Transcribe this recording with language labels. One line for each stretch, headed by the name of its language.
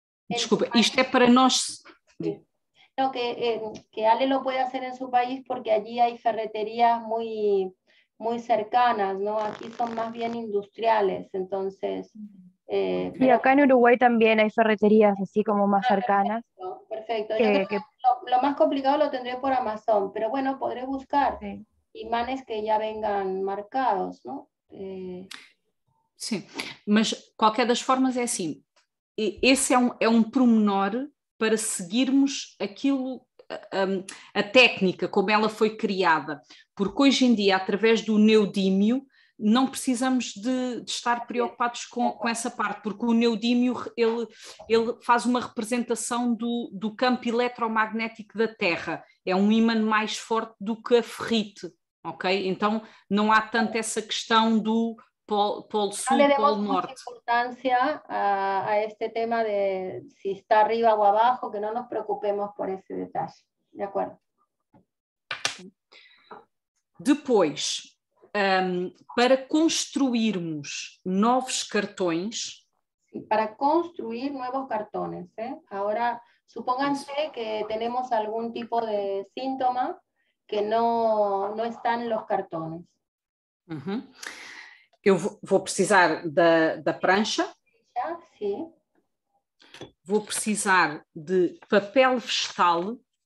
Portuguese: Desculpa, isto é para nós.
Spanish: No, que Ale lo puede hacer en su país porque allí hay ferreterías muy, muy cercanas, ¿no? Aquí son más bien industriales, entonces... Sí, pero... acá en Uruguay también hay ferreterías así como más cercanas. Perfecto. Lo más complicado lo tendré por Amazon, pero bueno, podré buscar imanes que ya vengan marcados, ¿no? Sí, mas cualquier de las formas es así. Ese es un
Portuguese: pormenor para seguirmos aquilo, a técnica, como ela foi criada. Porque hoje em dia, através do neodímio, não precisamos de estar preocupados com essa parte, porque o neodímio ele faz uma representação do campo eletromagnético da Terra. É um ímã mais forte do que a ferrite, ok? Então, não há tanto essa questão do... Polo sul, polo norte.
Spanish: Mucha importancia a este tema de si está arriba o abajo, que no nos preocupemos por ese detalle. De acuerdo. Después, para construirmos nuevos cartones... Para construir nuevos cartones. ¿Eh? Ahora, supónganse que tenemos algún tipo de síntoma que no están los cartones.
Portuguese: Eu vou precisar da prancha. Sim. Vou precisar de papel vegetal.